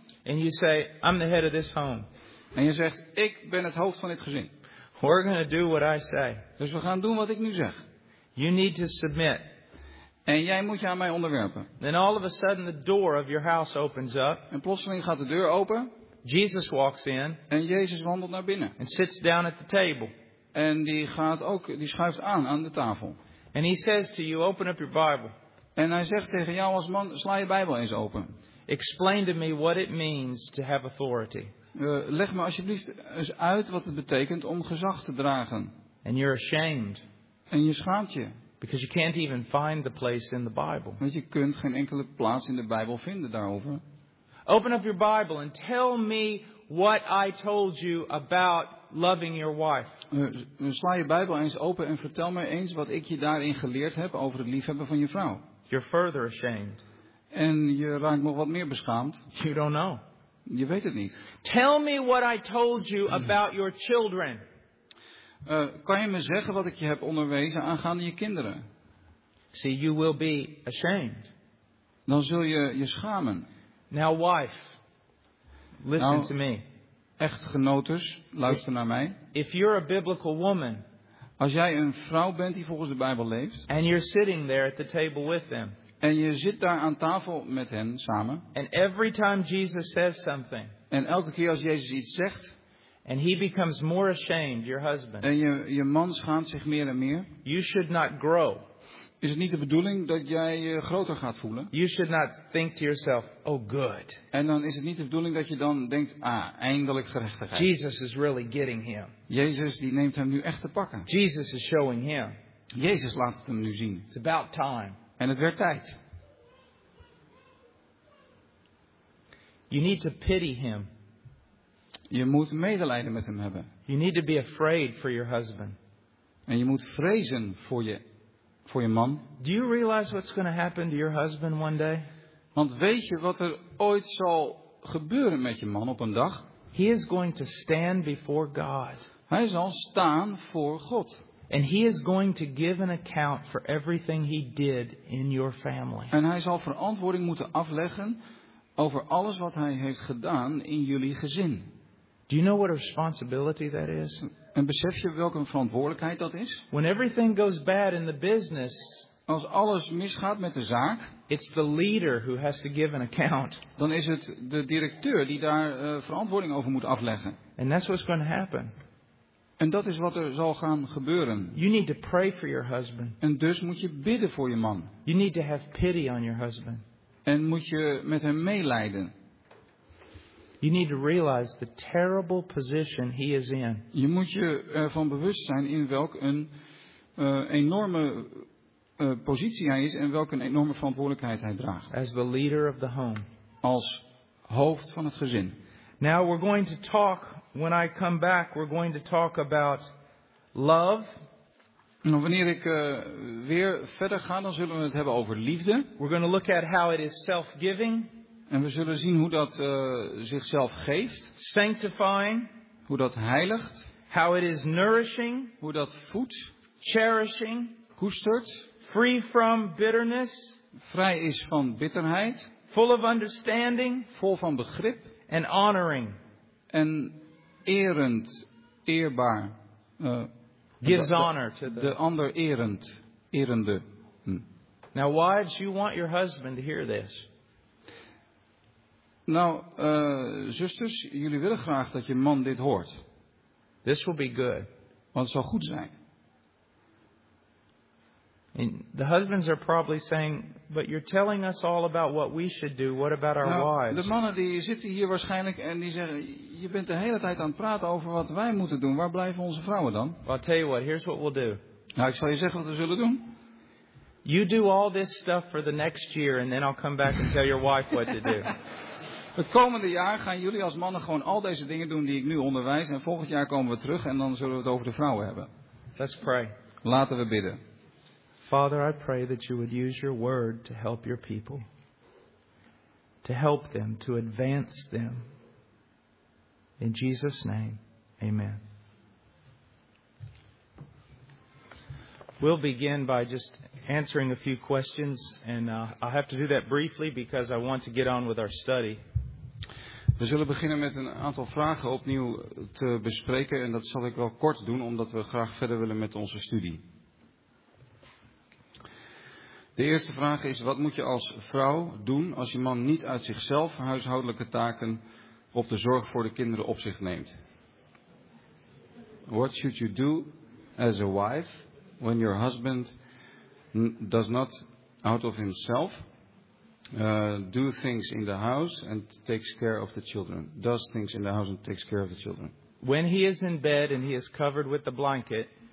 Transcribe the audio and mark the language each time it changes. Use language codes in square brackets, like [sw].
[en] And you say, I'm the head of this home. [nl] En je zegt, ik ben het hoofd van dit gezin. [en] We're going to do what I say. [nl] Dus we gaan doen wat ik nu zeg. [en] You need to submit. [nl] En jij moet je aan mij onderwerpen. [en] Then all of a sudden the door of your house opens up. [nl] En plotseling gaat de deur open. [en] Jesus walks in. [nl] En Jezus wandelt naar binnen. [en] And sits down at the table. [nl] En die gaat ook, die schuift aan de tafel. [en] And he says to you, open up your Bible. [nl] En hij zegt tegen jou als man, sla je Bijbel eens open. [en] Explain to me what it means to have authority. [nl] Leg me alsjeblieft eens uit wat het betekent om gezag te dragen. [en] And you're ashamed. [nl] En je schaamt je. [en] Because you can't even find the place in the Bible. [nl] Want je kunt geen enkele plaats in de Bijbel vinden daarover. [en] Open up your Bible and tell me what I told you about loving your wife. [nl] Sla je Bijbel eens open en vertel me eens wat ik je daarin geleerd heb over het liefhebben van je vrouw. [en] You're further ashamed. [nl] En je raakt nog wat meer beschaamd. [en] You don't know. [nl] Je weet het niet. [en] Tell me what I told you about your children. [nl] Kan je me zeggen wat ik je heb onderwezen aangaande je kinderen? [en] See, you will be ashamed. [nl] Dan zul je je schamen. [en] Now, wife, listen nou, to me. [nl] Echtgenotes, luister naar mij. [en] If you're a biblical woman, [nl] als jij een vrouw bent die volgens de Bijbel leeft, [en] and you're sitting there at the table with them, [nl] en je zit daar aan tafel met hen samen, [en] and every time Jesus says something, [nl] en elke keer als Jezus iets zegt, [en] and he becomes more ashamed, your husband, [nl] en je man schaamt zich meer en meer, [en] you should not grow. [nl] Is het niet de bedoeling dat jij je groter gaat voelen? [en] You should not think to yourself, oh good. [nl] En dan is het niet de bedoeling dat je dan denkt, ah, eindelijk gerechtigheid. [en] Jesus is really getting him. [nl] Jezus die neemt hem nu echt te pakken. [en] Jesus is showing him. [nl] Jezus laat het hem nu zien. [en] It's about time. [nl] En het werd tijd. [en] You need to pity him. [nl] Je moet medelijden met hem hebben. [en] You need to be afraid for your husband. [nl] En je moet vrezen voor je. Voor je man. [en] Do you realize what's going to happen to your husband one day? [nl] Want weet je wat er ooit zal gebeuren met je man op een dag? [en] He is going to stand before God. [nl] Hij zal staan voor God. [en] And he is going to give an account for everything he did in your family. [nl] En hij zal verantwoording moeten afleggen over alles wat hij heeft gedaan in jullie gezin. [en] Do you know what a responsibility that is? [nl] En besef je welke verantwoordelijkheid dat is? [en] When everything goes bad in the business, [nl] als alles misgaat met de zaak, [en] it's the leader who has to give an account. [nl] Dan is het de directeur die daar verantwoording over moet afleggen. [en] And that's what's going to happen. [nl] En dat is wat er zal gaan gebeuren. [en] You need to pray for your husband. [nl] En dus moet je bidden voor je man. [en] You need to have pity on your husband. [nl] En moet je met hem meelijden. [en] You need to realize the terrible position he is in. [nl] Je moet je ervan bewust zijn in welk een enorme positie hij is en welke een enorme verantwoordelijkheid hij draagt. [en] As the leader of the home. [nl] Als hoofd van het gezin. [en] Now we're going to talk, when I come back, we're going to talk about love. [nl] Nou, wanneer ik weer verder ga, dan zullen we het hebben over liefde. [en] We're going to look at how it is self-giving. [nl] En we zullen zien hoe dat zichzelf geeft. [en] Sanctifying. [nl] Hoe dat heiligt. [en] How it is nourishing. [nl] Hoe dat voedt. [en] Cherishing. [nl] Koestert. [en] Free from bitterness. [nl] Vrij is van bitterheid. [en] Full of understanding. [nl] Vol van begrip. [en] And honoring. [nl] En erend, eerbaar. [en] Gives honor to [nl] the ander erend, erende. [en] Now wives, you want your husband to hear this. [nl] Nou, zusters, jullie willen graag dat je man dit hoort. [en] This will be good. [nl] Want het zal goed zijn. [en] And the husbands are probably saying, but you're telling us all about what we should do. What about our nou, wives? [nl] De mannen die zitten hier waarschijnlijk en die zeggen, je bent de hele tijd aan het praten over wat wij moeten doen. Waar blijven onze vrouwen dan? [en] Well, I'll tell you what, here's what we'll do. [nl] Nou, ik zal je zeggen wat we zullen doen. [en] You do all this stuff for the next year and then I'll come back and tell your wife what to do. [nl] Het komende jaar gaan jullie als mannen gewoon al deze dingen doen die ik nu onderwijs. En volgend jaar komen we terug en dan zullen we het over de vrouwen hebben. [en] Let's pray. [nl] Laten we bidden. [en] Father, I pray that you would use your word to help your people. To help them, to advance them. In Jesus' name, amen. We'll begin by just answering a few questions. And I have to do that briefly because I want to get on with our study. [nl] We zullen beginnen met een aantal vragen opnieuw te bespreken en dat zal ik wel kort doen omdat we graag verder willen met onze studie. De eerste vraag is, wat moet je als vrouw doen als je man niet uit zichzelf huishoudelijke taken of de zorg voor de kinderen op zich neemt? [en] What should you do as a wife when your husband does not out of himself do things in the house and takes care of the children. Does things in the house and takes care of the children. When he is in bed and he is covered with the blanket.